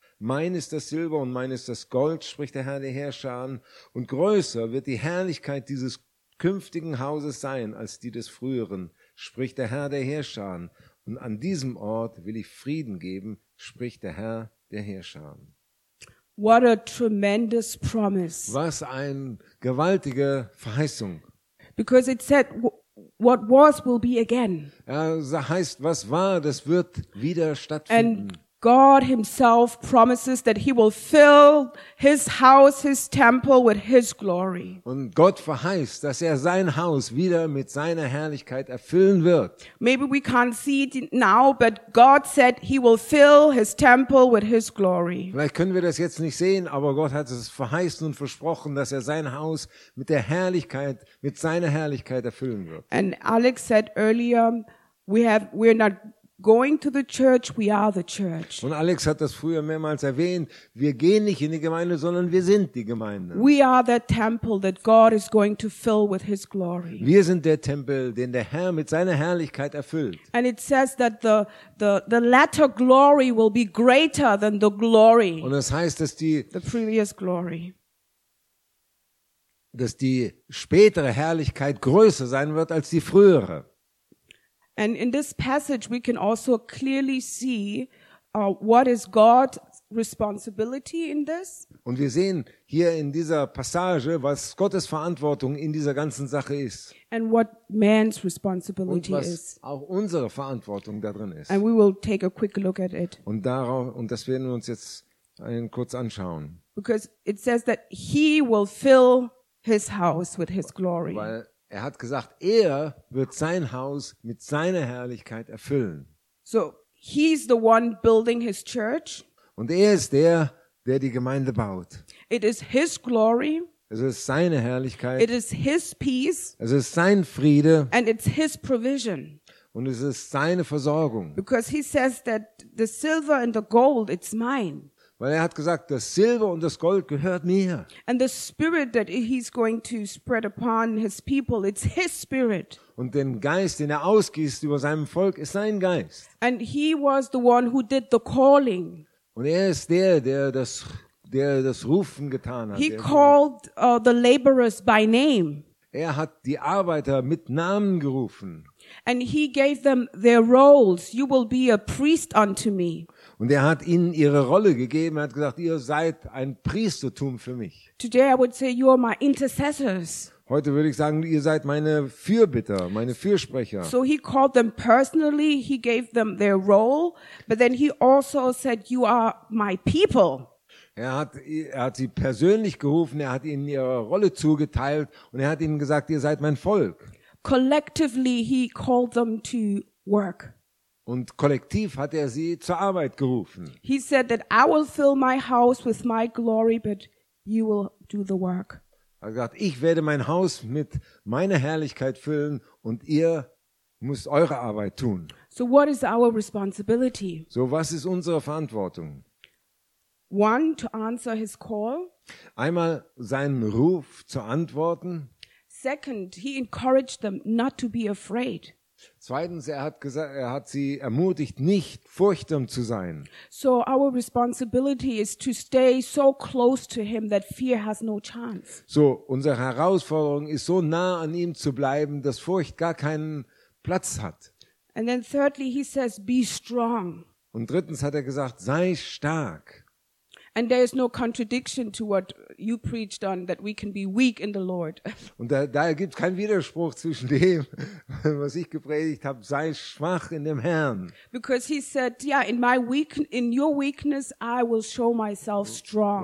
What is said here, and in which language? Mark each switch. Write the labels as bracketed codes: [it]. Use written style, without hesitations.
[de] Mein ist das Silber und mein ist das Gold, spricht der Herr der Heerscharen, und größer wird die Herrlichkeit dieses künftigen Hauses sein als die des früheren, spricht der Herr der Heerscharen. Und an diesem Ort will ich Frieden geben, spricht der Herr der Heerscharen. [en] What a tremendous promise. [de] Was eine gewaltige Verheißung. [en] Because it said, what was will be again. [de] Also heißt, was war, das wird wieder stattfinden. [en] And God himself promises that he will fill his house, his temple with his glory. [de] Und Gott verheißt, dass er sein Haus wieder mit seiner Herrlichkeit erfüllen wird. [en] Maybe we can't see it now, but God said he will fill his temple with his glory. [de] Vielleicht können wir das jetzt nicht sehen, aber Gott hat es verheißen und versprochen, dass er sein Haus mit der Herrlichkeit, mit seiner Herrlichkeit erfüllen wird. [en] And Alex said earlier, we're not going to the church, we are the church. [de] Und Alex hat das früher mehrmals erwähnt, wir gehen nicht in die Gemeinde, sondern wir sind die Gemeinde. [en] We are the temple that God is going to fill with his glory. [de] Wir sind der Tempel, den der Herr mit seiner Herrlichkeit erfüllt. [en] And it says that the latter glory will be greater than the glory. [de] Und es heißt, dass die [en] the previous glory. [de] Dass die spätere Herrlichkeit größer sein wird als die frühere. [en] And in this passage we can also clearly see what is God's responsibility in this. [de] Und wir sehen hier in dieser Passage, was Gottes Verantwortung in dieser ganzen Sache ist. [en] And what man's responsibility is. [de] Und was auch unsere Verantwortung da drin ist. [en] And we will take a quick look at it. [de] Und das werden wir uns jetzt kurz anschauen. [en] Because it says that he will fill his house with his glory. [de] Er hat gesagt, er wird sein Haus mit seiner Herrlichkeit erfüllen. [en] So, he's the one building his church. [de] Und er ist der, der die Gemeinde baut. [en] It is his glory. [de] Es ist seine Herrlichkeit. [en] It is his peace. [de] Es ist sein Friede. [en] And it's his provision. [de] Und es ist seine Versorgung. [en] Because he says that the silver and the gold, it's mine. [de] Weil er hat gesagt, das Silber und das Gold gehört mir. [en] And the spirit that he's going to spread upon his people, it's his spirit. [de] Und den Geist, den er ausgießt über seinem Volk, ist sein Geist. [en] And he was the one who did the calling. [de] Und er ist der, der das Rufen getan hat. [en] He called the laborers by name. [de] Er hat die Arbeiter mit Namen gerufen. [en] And he gave them their roles. You will be a priest unto me. [de] Und er hat ihnen ihre Rolle gegeben, er hat gesagt, ihr seid ein Priestertum für mich. [en] Today I would say you are my intercessors. [de] Heute würde ich sagen, ihr seid meine Fürbitter, meine Fürsprecher. [en] So he called them personally, he gave them their role, but then he also said you are my people. [de] Er hat sie persönlich gerufen, er hat ihnen ihre Rolle zugeteilt und er hat ihnen gesagt, ihr seid mein Volk. [en] Collectively he called them to work. [de] Und kollektiv hat er sie zur Arbeit gerufen. [en] He said that I will fill my house with my glory, but you will do the work. [de] Er hat gesagt, ich werde mein Haus mit meiner Herrlichkeit füllen und ihr müsst eure Arbeit tun. [en] So what is our responsibility? [de] So was ist unsere Verantwortung? [en] One, to answer his call. [de] Einmal seinen Ruf zu antworten. [en] Second, he encouraged them not to be afraid. [de] Zweitens, er hat sie ermutigt, nicht furchtsam zu sein. [en] So our responsibility is to stay so close to him that fear has no chance. [de] So unsere Herausforderung ist, so nah an ihm zu bleiben, dass Furcht gar keinen Platz hat. [en] And then thirdly, he says, be strong. [de] Und drittens hat er gesagt, sei stark. [en] And there is no contradiction to what you preached on, that we can be weak in the Lord. [de] Und da gibt's keinen Widerspruch zwischen dem, was ich gepredigt habe, sei schwach in dem Herrn. [en] Because he said, yeah, in your weakness, I will show myself strong.